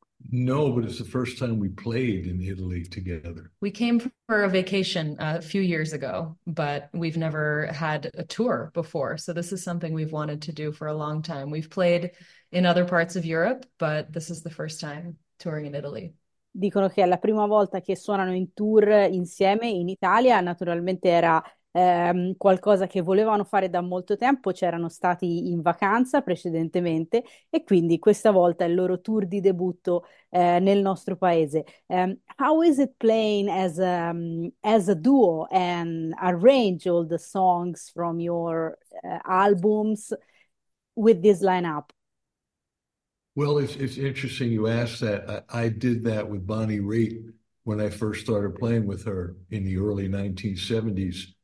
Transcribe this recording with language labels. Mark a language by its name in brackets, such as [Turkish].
[English] No, but it's the first time we played in Italy together. We came for a vacation a few years ago, but we've never had a tour before. So this is something we've wanted to do for a long time. We've played in other parts of Europe, but this is the first time touring in Italy. [Italian] Dicono che è la prima volta che suonano in tour insieme in Italia. Naturalmente era qualcosa che volevano fare da molto tempo, c'erano stati in vacanza precedentemente e quindi questa volta è il loro tour di debutto nel nostro paese. [English] How is it playing as a duo and arrange all the songs from your albums with this lineup? Well, it's interesting you ask that. I did that with Bonnie Raitt when I first started playing with her in the early 1970s.